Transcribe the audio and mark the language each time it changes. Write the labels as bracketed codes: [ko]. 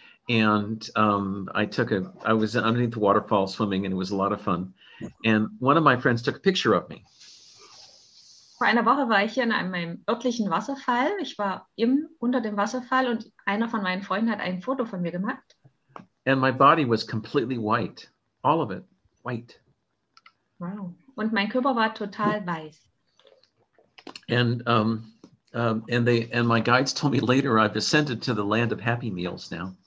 [en] And I was underneath the waterfall swimming, and it was a lot of fun. And one of my friends took a picture of me. [de] Vor einer Woche war ich hier in meinem örtlichen Wasserfall. Ich war unter dem Wasserfall, und einer von meinen Freunden hat ein Foto von mir gemacht. [en] And my body was completely white, all of it, white. [de] Wow. Und mein Körper war total weiß. [en] And my guides told me later I've ascended to the land of Happy Meals now.